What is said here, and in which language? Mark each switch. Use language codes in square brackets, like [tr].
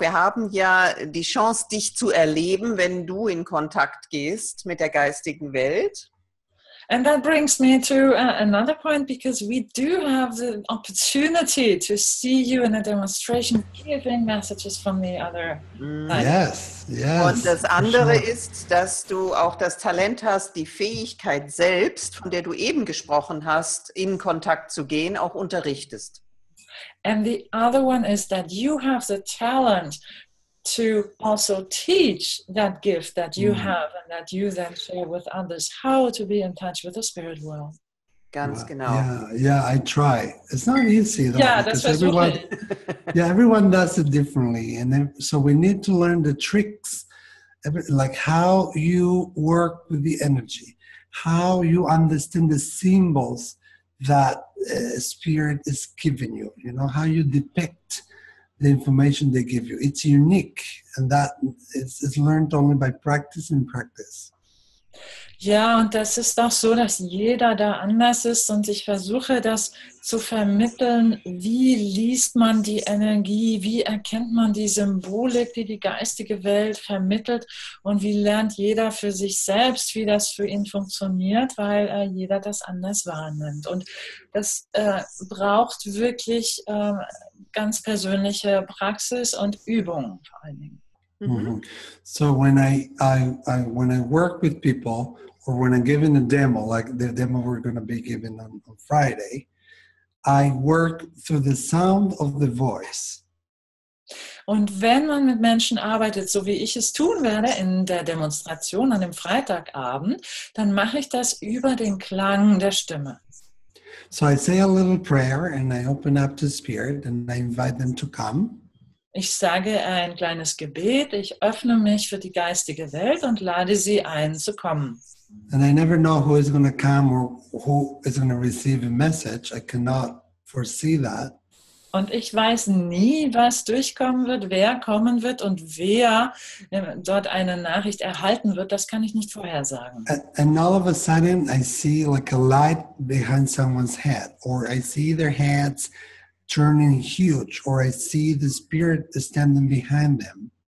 [de] Wir haben ja die Chance, dich zu erleben, wenn du in Kontakt gehst mit der geistigen Welt. [en] And that brings me to another point, because we do have the opportunity to see you in a demonstration giving messages from the other side. Yes, yes. [de] Und das andere ist, dass du auch das Talent hast, die Fähigkeit selbst, von der du eben gesprochen hast, in Kontakt zu gehen, auch unterrichtest. [en] And the other one is that you have the talent to also teach that gift that you have and that you then share with others, how to be in touch with the spirit world. [de] Ganz genau. [en] Yeah, I try. It's not easy though. Yeah, that's what everyone, everyone does it differently. And then, so we need to learn the tricks like how you work with the energy, how you understand the symbols that spirit is giving you, you know, how you depict the information they give you. It's unique, and that is learned only by practice and practice. [de] Ja, und das ist auch so, dass jeder da anders ist und ich versuche das zu vermitteln, wie liest man die Energie, wie erkennt man die Symbolik, die die geistige Welt vermittelt und wie lernt jeder für sich selbst, wie das für ihn funktioniert, weil jeder das anders wahrnimmt. Und das braucht wirklich ganz persönliche Praxis und Übung vor allen Dingen. Mm-hmm. [en] So when I work with people or when I'm giving a demo, like the demo we're going to be giving on Friday, I work through the sound of the voice. [de] Und wenn man mit Menschen arbeitet, so wie ich es tun werde in der Demonstration an dem Freitagabend, dann mache ich das über den Klang der Stimme. [en] So I say a little prayer and I open up to spirit and I invite them to come. [de] Ich sage ein kleines Gebet, ich öffne mich für die geistige Welt und lade sie ein zu kommen. [en] And I never know who is going to come or who is going to receive a message. I cannot foresee that. [de] Und ich weiß nie, was durchkommen wird, wer kommen wird und wer dort eine Nachricht erhalten wird. Das kann ich nicht vorhersagen. [en] And all of a sudden I see like a light behind someone's head or I see their heads turning huge, or I see the spirit standing behind them.